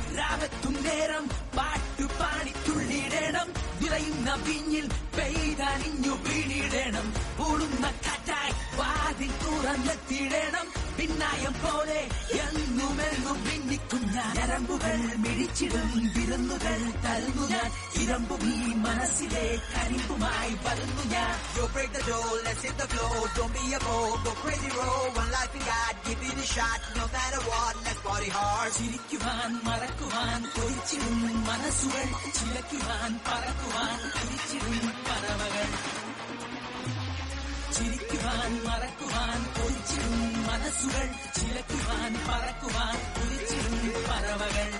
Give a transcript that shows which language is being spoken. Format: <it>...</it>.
<ml>രാവത്തും നേരം പാട്ടു പാടി തുള്ളിയിടണം, വിളയുന്ന പിഞ്ഞിൽ പെയ്തണിഞ്ഞു വീണിടണം. ഓടുന്ന കാറ്റായി വാതിൽ തുറന്നെത്തിയിടണം, പിന്നായം പോലെ എന്നുമെന്നും ഭിന്നിക്കും ഞാൻ. ഞരമ്പുകൾ മിടിച്ചിടും, വിരുന്നുകൾ തരുന്നു ഞാൻ. ഇരമ്പും ഈ മനസ്സിലെ കരിമ്പുമായി വരുന്നു ഞാൻ.</ml> <en>Yo, break the door, let's hit the floor. Don't be a bore, go crazy roll. One life we got, give it a shot. No matter what, let's party hard.</en> <ml>ചിരിക്കുവാൻ മറക്കുവാൻ കൊതിച്ചിടും മനസ്സുകൾ, ചിലയ്ക്കുവാൻ പറക്കുവാൻ കൊതിച്ചിടും പറവകൾ. ചിരിക്കുവാൻ മറക്കുവാൻ കൊതിച്ചിടും മനസ്സുകൾ, ചിലയ്ക്കുവാൻ പറക്കുവാൻ കൊതിച്ചിടും പറവകൾ.</ml>